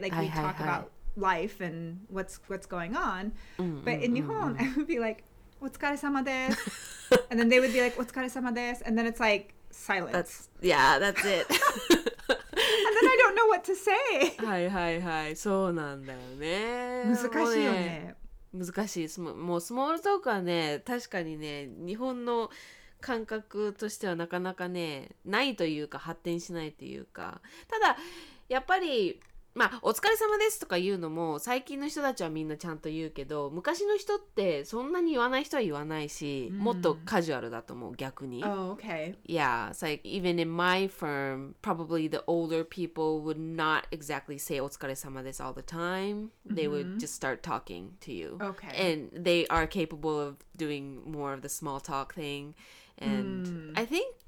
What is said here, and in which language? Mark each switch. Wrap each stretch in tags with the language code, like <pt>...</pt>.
<en>Like, we talk about life and what's going on. But in Nihon, I would be like,</en> <ja>"Otsukaresama desu."</ja> <en>And then they would be like,</en> <ja>"Otsukaresama desu."</ja> <en>And then it's like silence. That's it. And then I don't know what to say.</en> <ja>はいはいはい。そうなんだよね。難しいよね。難しい。もうスモールトークはね、確かにね、日本の感覚としてはなかなかね、ないというか、発展しないというか。ただ、やっぱり、まあ、お疲れ様ですとか言うのも、最近の人たちはみんなちゃんと言うけど、昔の人ってそんなに言わない人は言わないし、もっとカジュアルだと思う、逆に。</ja> <en>Oh, okay. Yeah, it's like, even in my firm, probably the older people would not exactly say</en> <ja>お疲れ様です</ja> <en>all the time. They would just start talking to you. Okay. And they are capable of doing more of the small talk thing. And I think</en>